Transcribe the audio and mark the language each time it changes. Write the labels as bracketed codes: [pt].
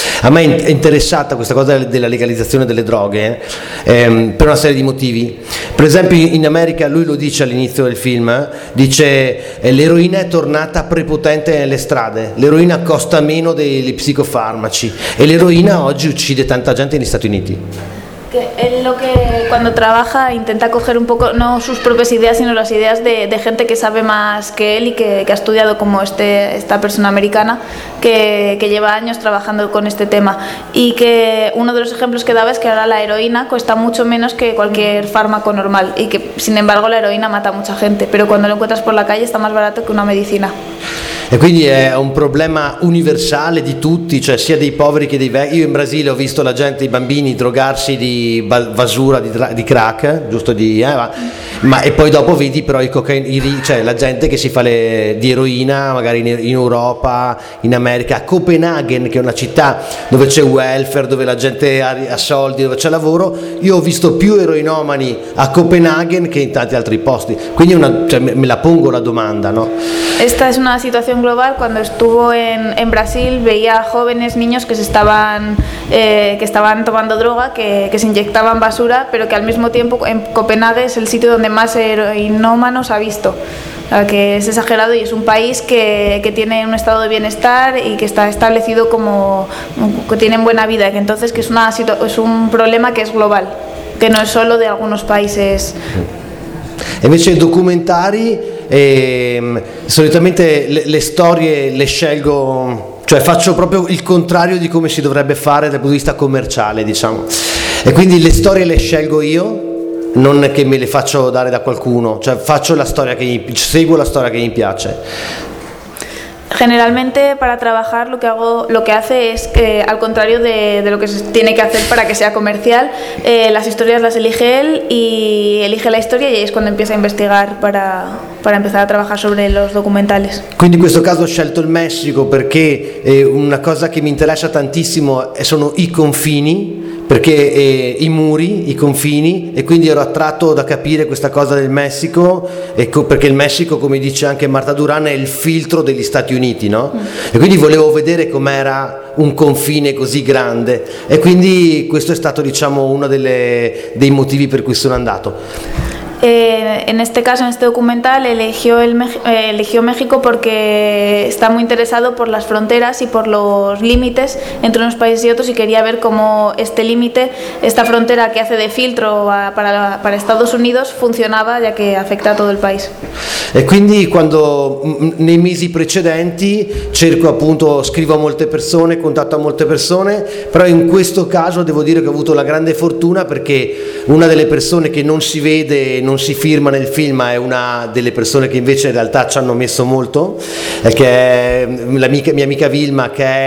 [it] A me è interessata questa cosa della legalizzazione delle droghe per una serie di motivi. Per esempio in America, lui lo dice all'inizio del film, dice l'eroina è tornata prepotente nelle strade, l'eroina costa meno dei psicofarmaci e l'eroina oggi uccide tanta gente negli Stati Uniti. [es] Es lo que cuando trabaja intenta coger un poco, no sus propias ideas, sino las ideas de gente que sabe más que él y que ha estudiado, como esta persona americana que lleva años trabajando con este tema. Y que uno de los ejemplos que daba es que ahora la heroína cuesta mucho menos que cualquier fármaco normal y que, sin embargo, la heroína mata a mucha gente, pero cuando lo encuentras por la calle está más barato que una medicina. [it] E quindi è un problema universale di tutti, cioè sia dei poveri che dei vecchi. Io in Brasile ho visto la gente, i bambini drogarsi di basura, di crack, giusto di ma e poi dopo vedi però cioè la gente che si fa di eroina magari in Europa, in America, a Copenaghen, che è una città dove c'è welfare, dove la gente ha soldi, dove c'è lavoro. Io ho visto più eroinomani a Copenaghen che in tanti altri posti, quindi me la pongo la domanda, no? [es] Esta es una situación global. Cuando estuvo en Brasil veía jóvenes, niños que estaban tomando droga, que se inyectaban basura, pero que al mismo tiempo en Copenhague es el sitio donde más heroinómanos ha visto. O sea, que es exagerado y es un país que tiene un estado de bienestar y que está establecido como que tienen buena vida, que entonces que es un problema que es global, que no es solo de algunos países. En vez de [it] documentari, solitamente le storie le scelgo cioè faccio proprio il contrario di come si dovrebbe fare dal punto di vista commerciale, diciamo. E quindi le storie le scelgo io, non che me le faccio dare da qualcuno, cioè faccio la storia che seguo la storia che mi piace. [es] Generalmente para trabajar lo que hago, lo que hace es al contrario de lo que se tiene que hacer para que sea comercial, las historias las elige él y elige la historia y ahí es cuando empieza a investigar para empezar a trabajar sobre los documentales. [it] Quindi in questo caso ho scelto il Messico perché una cosa che mi interessa tantissimo sono i confini, perché i muri, i confini, e quindi ero attratto da capire questa cosa del Messico, perché il Messico, come dice anche Marta Duran, è il filtro degli Stati Uniti, no? E quindi volevo vedere com'era un confine così grande, e quindi questo è stato, diciamo, uno dei motivi per cui sono andato. [es] En este caso, en este documental, eligió México porque está muy interesado por las fronteras y por los límites entre unos países y otros y quería ver cómo este límite, esta frontera que hace de filtro para Estados Unidos, funcionaba, ya que afecta a todo el país. [it] E quindi quando nei mesi precedenti cerco, appunto, scrivo a molte persone, contatto a molte persone, però in questo caso devo dire che ho avuto la grande fortuna perché una delle persone che non si vede, non si firma nel film, ma è una delle persone che invece in realtà ci hanno messo molto, che è l'amica, mia amica Vilma, che